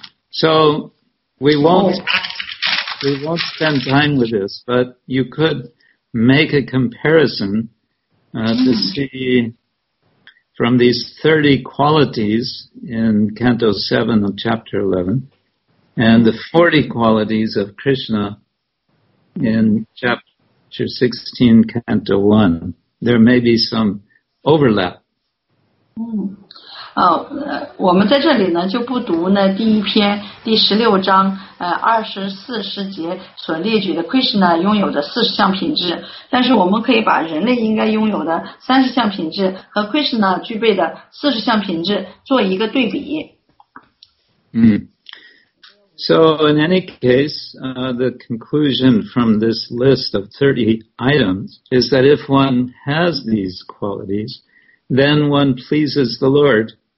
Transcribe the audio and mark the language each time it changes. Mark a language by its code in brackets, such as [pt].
[en] So we won't spend time with this, but you could make a comparison to see from these 30 qualities in Canto 7 of Chapter 11 and the 40 qualities of Krishna in Chapter 16, Canto 1. There may be some overlap. [zh] 我们在这里呢就不读呢第一篇第十六章二十四十节所列举的 Krishna 拥有的四十项品质，但是我们可以把人类应该拥有的三十项品质和 Krishna 具备的四十项品质做一个对比。 [en] So in any case, the conclusion from this list of 30 items is that if one has these qualities, then one pleases the Lord.